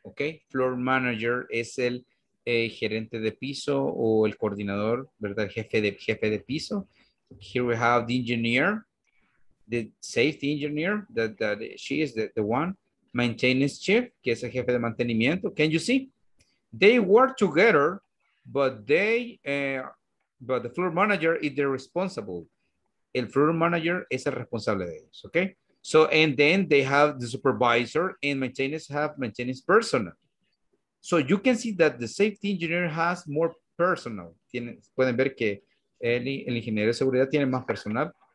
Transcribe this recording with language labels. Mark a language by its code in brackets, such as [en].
[es] Okay, floor manager es el gerente de piso o el coordinador, ¿verdad? El jefe de piso. [en] Here we have the engineer, the safety engineer, that she is the one. [es] Maintenance chief, que es el jefe de mantenimiento. [en] Can you see? They work together, but the floor manager is the responsible. [es] El floor manager es el responsable de ellos, [en] okay? So, and then they have the supervisor and maintenance have maintenance personnel. So you can see that the safety engineer has more personnel. [es] Pueden ver que el ingeniero de seguridad tiene más personal.